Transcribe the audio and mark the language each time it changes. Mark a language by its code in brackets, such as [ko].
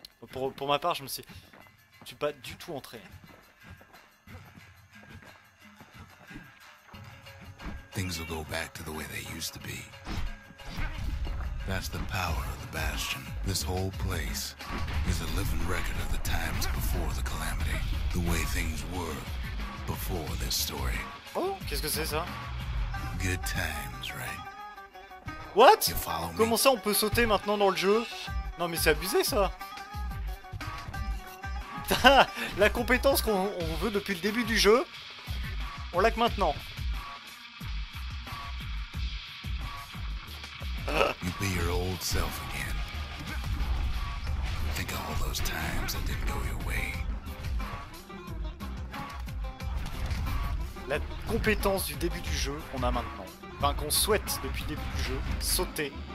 [fr] Pour ma part, je suis pas du tout entraîné. [en] Things will go back to the way they used to be. That's the power of the Bastion. This whole place is a living record of the times before the calamity. The way things were before this story. [fr] Oh, qu'est-ce que c'est ça? [en] Good times, right? What? You follow me? [fr] Comment ça on peut sauter maintenant dans le jeu? Non mais c'est abusé ça. La compétence qu'on veut depuis le début du jeu, on l'a que maintenant. [en] You be your old self again. Think of all those times that didn't go your way. [fr] La compétence du début du jeu qu'on a maintenant. Enfin, qu'on souhaite depuis le début du jeu, sauter.